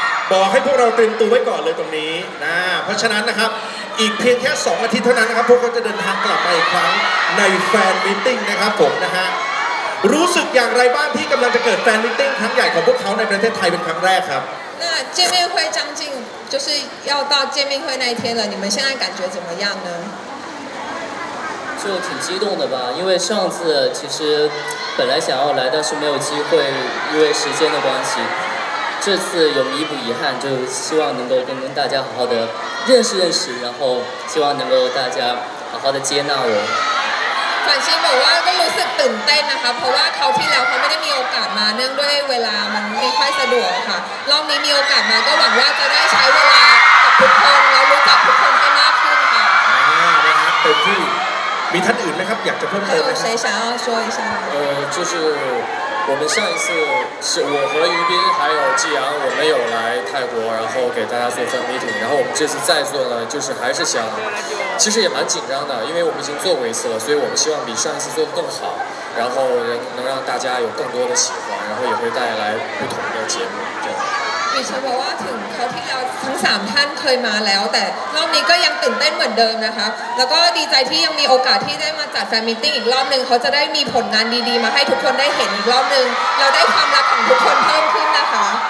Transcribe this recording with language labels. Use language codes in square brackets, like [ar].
[th] บอกให้พวกเราเตรียมตัวไว้ก่อนเลยตรงนี้นะเพราะฉะนั้นนะครับอีกเพียงแค่2อาทิตย์เท่านั้นนะครับพวกเราจะเดินทางกลับมาอีกครั้งในแฟนมีตติ้งนะครับผมนะฮะรู้สึกอย่างไรบ้างที่กำลังจะเกิดแฟนมีตติ้งครั้งใหญ่ของพวกเขาในประเทศไทยเป็นครั้งแรกครับ [zh] 那见面会将近就是要到见面会那一天了你们现在感觉怎么样呢就挺激动的吧，因为上次其实本来想要来，但是没有机会，因为时间的关系。这次有弥补遗憾，就希望能够跟大家好好的认识认识，然后希望能够大家好好的接纳我。反正 [th] บอกว่าก็รู้สึกตื่นเต้นนะคะเพราะว่าเขาที่แล้วเขาไม่ได้มีโอกาสมาเนื่องด้วยเวลามันไม่ค่อยสะดวกค่ะรอบนี้มีโอกาสมาก็หวังว่าจะได้ใช้เวลากับทุกคนแล้วรู้จักทุกคนให้มากขึ้นค่ะ นะครับเต็มที่มีท่านอื่นไหมครับอยากจะเพิ่มเติม ไหมใช่ใช่ช่วยใช่ [zh] 就是我们上一次是我和于斌还有季阳，我们有来泰国，然后给大家做分 meeting， 然后我们这次再做呢，就是还是想，其实也蛮紧张的，因为我们已经做过一次了，所以我们希望比上一次做得更好，然后能让大家有更多的喜欢，然后也会带来不同的节目。对， [th] มีเฉพาะว่าถึงเขาที่แล้วทั้ง3ท่านเคยมาแล้วแต่รอบนี้ก็ยังตื่นเต้นเหมือนเดิมนะคะแล้วก็ดีใจที่ยังมีโอกาสที่ได้มาจัดแฟนมีตติ้งอีกรอบนึงเขาจะได้มีผลงานดีๆมาให้ทุกคนได้เห็นอีกรอบนึงเราได้ความรักของทุกคนเพิ่มขึ้นนะคะ